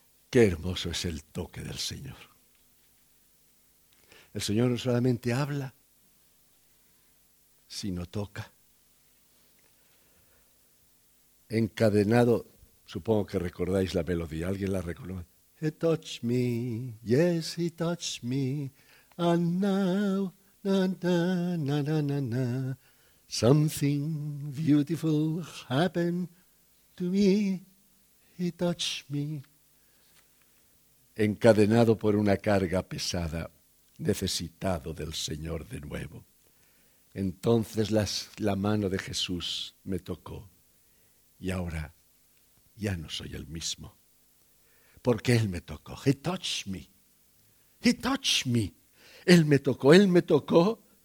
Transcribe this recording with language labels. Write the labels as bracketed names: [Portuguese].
[Spanish] Qué hermoso es el toque del Señor. El Señor no solamente habla, sino toca. Encadenado, supongo que recordáis la melodía, alguien la reconoce. [English] He touched me, yes, he touched me, and now, na na na na na na, something beautiful happened to me, he touched me. [Spanish] Encadenado por una carga pesada, necesitado del Señor de nuevo. Entonces la mano de Jesús me tocó y ahora ya no soy el mismo. Porque Él me tocó. [English] He touched me. He touched me. [Spanish] Él me tocó. Él me tocó.